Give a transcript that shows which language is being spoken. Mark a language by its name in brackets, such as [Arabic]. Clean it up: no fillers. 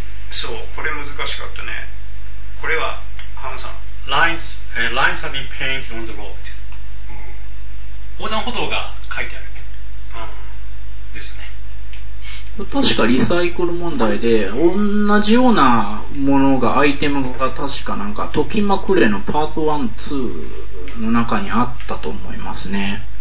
[Japanese] そう、これ難しかったね。これはハムさん、 [English] Lines have been painted on the road、 [Japanese] うん、横断歩道が書いてある、うん、ですね。確かリサイクル問題で同じようなものがアイテムが確かなんかトキマクレのパート1、2の中にあったと思いますね。